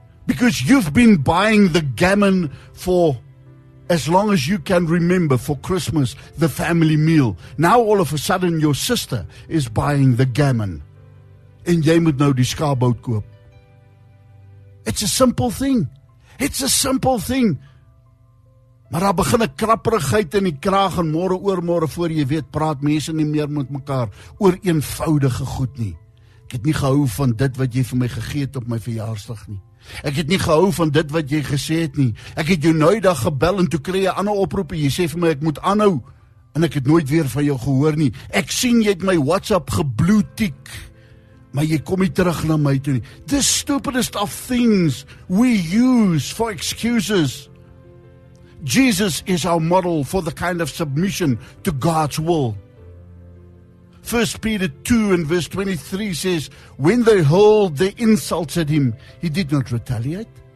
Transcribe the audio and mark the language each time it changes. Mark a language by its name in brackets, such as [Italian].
[English] Because you've been buying the gammon for as long as you can remember for Christmas, the family meal. Now all of a sudden your sister is buying the gammon. [Afrikaans] En jy moet nou die skaapboot koop. [English] It's a simple thing. It's a simple thing. [Afrikaans] Maar daar begin 'n krapperigheid in die kraag en môre oor môre voor jy weet, praat mense nie meer met mekaar oor eenvoudige goed nie. Ek het nie gehou van dit wat jy vir my gegee het op my verjaarsdag nie. Ek het nie gehou van dit wat jy gesê het nie. Ek het jou nooit daag gebel en toe kry jy 'n ander oproep en jy sê vir my ek moet aanhou en ek het nooit weer van jou gehoor nie. Ek sien jy het my WhatsApp geblue-tick. Maar jy kom nie terug na my toe nie. [English] The stupidest of things we use for excuses. Jesus is our model for the kind of submission to God's will. 1 Peter 2 and verse 23 says, when they hurled their insults at him, he did not retaliate.